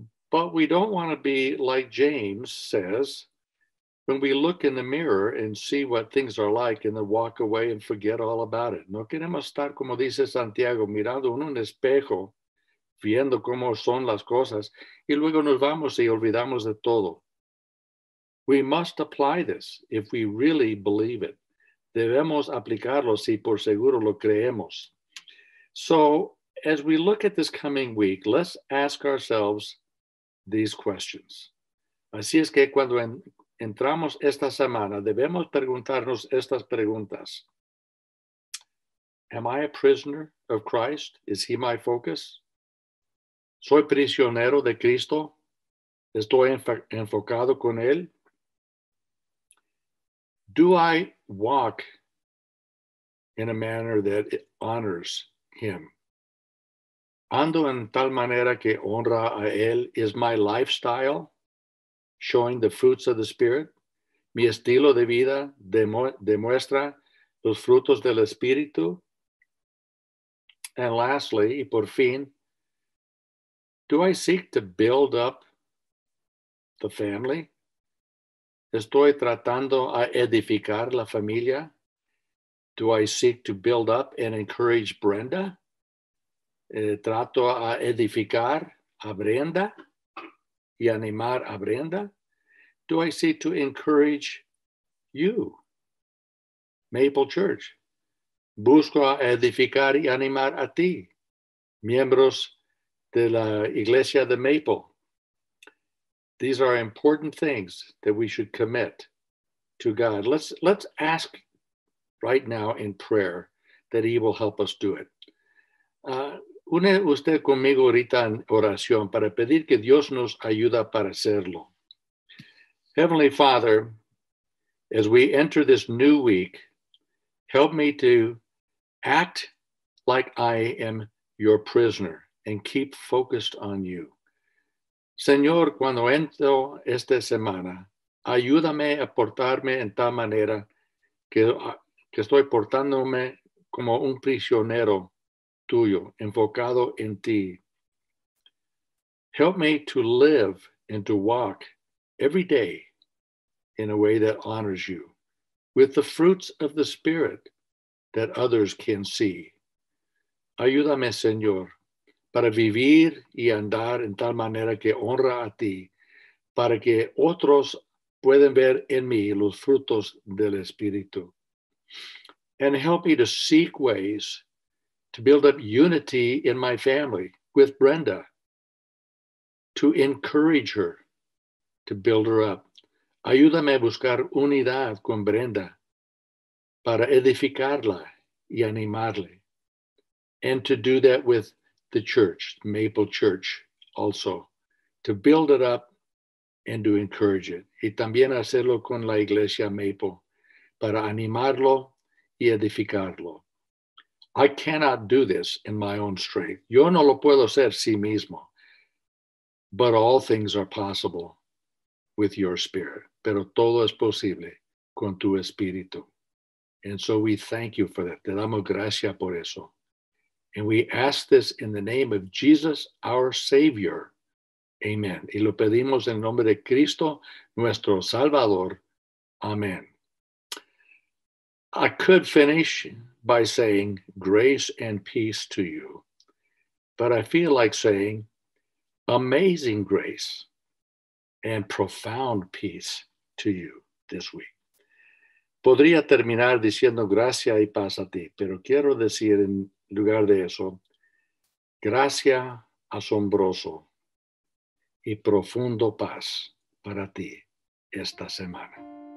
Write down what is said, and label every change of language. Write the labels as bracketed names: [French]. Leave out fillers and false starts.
[English] But we don't want to be like James says, when we look in the mirror and see what things are like and then walk away and forget all about it. [Spanish] No queremos estar, como dice Santiago, mirando en un espejo, viendo cómo son las cosas, y luego nos vamos y olvidamos de todo. [English] We must apply this if we really believe it. [Spanish] Debemos aplicarlo si por seguro lo creemos. [English] So, as we look at this coming week, let's ask ourselves these questions. [Spanish] Así es que cuando entramos esta semana, debemos preguntarnos estas preguntas. [English] Am I a prisoner of Christ? Is he my focus? [Spanish] ¿Soy prisionero de Cristo? ¿Estoy enfocado con él? [English] Do I walk in a manner that honors him? [Spanish] ¿Ando en tal manera que honra a él? [English] ¿Is my lifestyle showing the fruits of the Spirit? [Spanish] ¿Mi estilo de vida demuestra los frutos del Espíritu? [English] And lastly, [Spanish] y por fin, [English] do I seek to build up the family? [Spanish] ¿Estoy tratando a edificar la familia? [English] Do I seek to build up and encourage Brenda? [Spanish] ¿Trato a edificar a Brenda y animar a Brenda? [English] Do I seek to encourage you, Maple Church? [Spanish] ¿Busco a edificar y animar a ti, miembros de la Iglesia de Maple? [English] These are important things that we should commit to God. Let's ask right now in prayer that he will help us do it. [Spanish] Une usted conmigo ahorita en oración para pedir que Dios nos ayuda para hacerlo. [English] Heavenly Father, as we enter this new week, help me to act like I am your prisoner and keep focused on you. [Spanish] Señor, cuando entro esta semana, ayúdame a portarme en tal manera que estoy portándome como un prisionero tuyo, enfocado en ti. [English] Help me to live and to walk every day in a way that honors you, with the fruits of the Spirit that others can see. [Spanish] Ayúdame, Señor, para vivir y andar en tal manera que honra a ti, para que otros puedan ver en mí los frutos del Espíritu. [English] And help me to seek ways to build up unity in my family with Brenda, to encourage her, to build her up. [Spanish] Ayúdame a buscar unidad con Brenda para edificarla y animarle. [English] And to do that with the church, Maple Church, also, to build it up and to encourage it. [Spanish] Y también hacerlo con la Iglesia Maple, para animarlo y edificarlo. [English] I cannot do this in my own strength. [Spanish] Yo no lo puedo hacer sí mismo. [English] But all things are possible with your Spirit. [Spanish] Pero todo es posible con tu Espíritu. [English] And so we thank you for that. [Spanish] Te damos gracias por eso. [English] And we ask this in the name of Jesus, our Savior. Amen. [Spanish] Y lo pedimos en nombre de Cristo, nuestro Salvador. [English] Amen. I could finish by saying grace and peace to you, but I feel like saying amazing grace and profound peace to you this week. [Spanish] Podría terminar diciendo gracia y paz a ti, pero quiero decir en lugar de eso, gracia asombroso y profundo paz para ti esta semana.